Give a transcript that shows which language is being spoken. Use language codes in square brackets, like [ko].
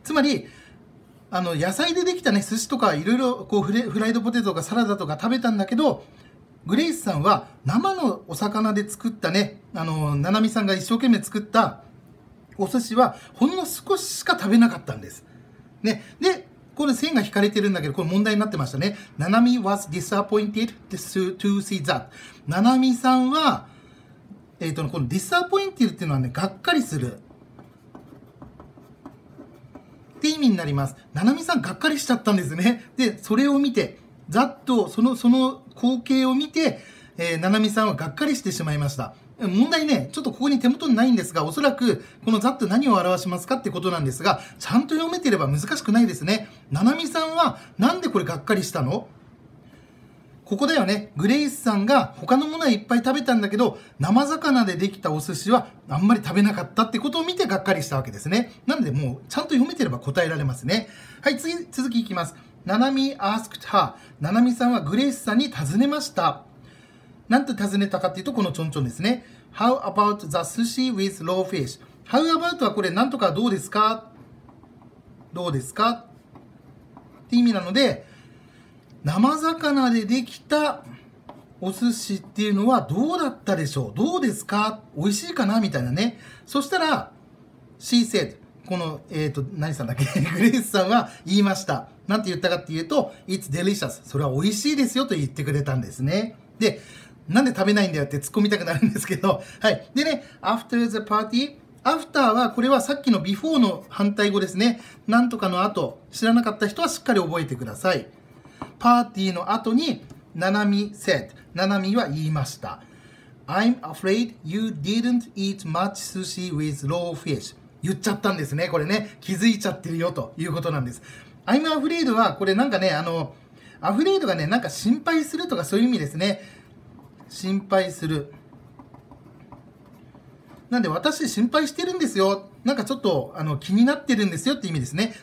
[ja] つまり、あの野菜でできたね、寿司とかいろいろこうフライドポテトとかサラダとか食べたんだけど、グレイスさんは生のお魚で作ったね、あの、ナナミさんが一生懸命作ったお寿司はほんの少ししか食べなかったんです、ね、で、この線が引かれてるんだけど、これ問題になってましたね。 [en] ナナミ was disappointed to see that。 [ja] ナナミさんは、この disappointed っていうのはね、がっかりするって意味になります。ナナミさんがっかりしちゃったんですね。で、それを見て、ざっとその光景を見て、ナナミさんはがっかりしてしまいました。問題ね、ちょっとここに手元にないんですが、おそらくこのざっと何を表しますかってことなんですが、ちゃんと読めてれば難しくないですね。ナナミさんはなんでこれがっかりしたの？ここだよね。グレイスさんが他のものはいっぱい食べたんだけど、生魚でできたお寿司はあんまり食べなかったってことを見てがっかりしたわけですね。なんでもうちゃんと読めてれば答えられますね。はい、次、続きいきます。 [en] ナナミ asked her。 [ja] ナナミさんはグレイスさんに尋ねました。なんて尋ねたかっていうと、このちょんちょんですね。 [en] How about the sushi with raw fish? [ja] How about はこれなんとかどうですか、どうですかって意味なので、生魚でできたお寿司っていうのはどうだったでしょう、どうですか、美味しいかなみたいなね。そしたら [en] She said、 [ja] この何さんだっけグレイスさんは言いました。なんて言ったかっていうと、 [en] It's delicious、 [ja] それは美味しいですよと言ってくれたんですね。で、なんで食べないんだよって突っ込みたくなるんですけど、はい。でね、 [en] after the party、 [ja] after はこれはさっきの before の反対語ですね。なんとかの後、知らなかった人はしっかり覚えてください。パーティーの後にナナミ said、 ナナミは言いました。 [en] I'm afraid you didn't eat much sushi with raw fish。 [ja] 言っちゃったんですね、これね。気づいちゃってるよということなんです。 I'm afraid はこれなんかね、あの、 afraid がね、なんか心配するとかそういう意味ですね。心配する、なんで私心配してるんですよ、なんかちょっとあの気になってるんですよって意味ですね。